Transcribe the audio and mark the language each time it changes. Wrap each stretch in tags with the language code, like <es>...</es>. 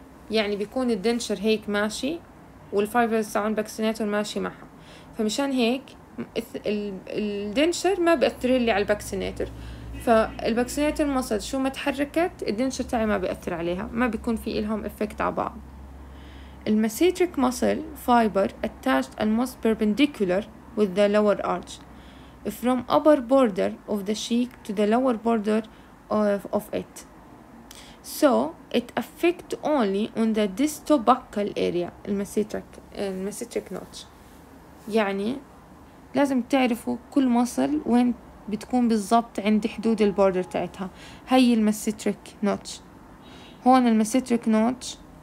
<ar>يعني بيكون الدنشر هيك ماشي والفايبرز عن باكسينيتر ماشي معها، فمشان هيك الدنشر ما بياثر لي على الباكسينيتر. فالباكسينيتر مصل شو ما تحركت الدنشر تاعي ما بياثر عليها، ما بيكون في لهم افكت على بعض.</ar> <en>المسيتريك muscle fibre attached almost perpendicular with the lower arch from upper border of the cheek to the lower border of it. So it affect only on the distobuccal area.</en> <ar>المسيتريك notch. يعني لازم تعرفوا كل مصل وين بتكون بالضبط عند حدود البوردر تاعتها. هاي المسيتريك notch. هون المسيتريك notch.</ar>